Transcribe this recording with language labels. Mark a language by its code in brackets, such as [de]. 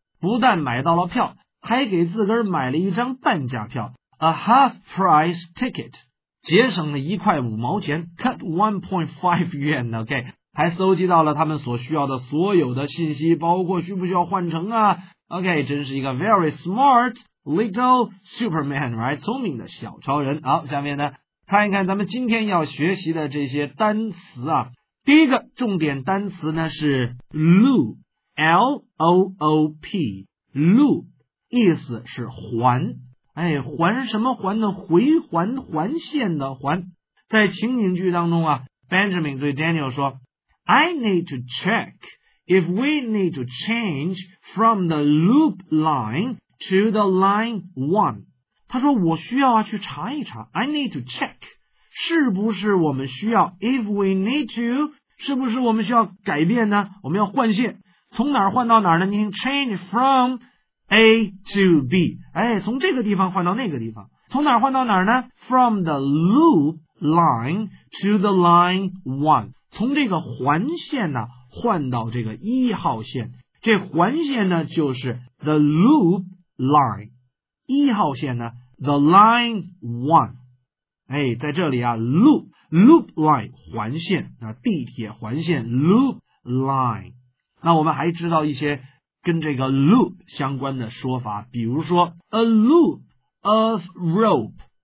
[zh] 不但买到了票，还给自个儿买了一张半价票 ， [en] a half price ticket， [zh] 节省了1.5元 ， [en] cut 1.5 yuan。 [zh] OK， 还搜集到了他们所需要的所有的信息，包括需不需要换乘啊。 OK， 真是一个 [en] very smart。 Little Superman, right? [zh] 聪明的小超人。好，下面呢，看一看咱们今天要学习的这些单词啊。第一个重点单词呢是 loop, L-O-O-P, loop, 意思是环。哎，环什么环呢？回环环线的环。在情景剧当中啊 ，Benjamin 对 Daniel 说 ， [en] I need to check if we need to change from the loop line. To the line one. [zh] 他说我需要啊去查一查 [en] I need to check. [zh] 是不是我们需要 [en] If we need to, [zh] 是不是我们需要改变呢我们要换线。从哪儿换到哪儿呢您 [en] change from A to B. [zh] 哎，从这个地方换到那个地方。从哪儿换到哪儿呢 [en] From the loop line to the line one. [zh] 从这个环线呢换到这个一号线。这环线呢就是 the loopLine 一号线呢 [en] The line one [zh] 哎，在这里啊 Loop line 环线啊，地铁环线 Loop line 那我们还知道一些跟这个 loop 相关的说法比如说 [en] A loop of rope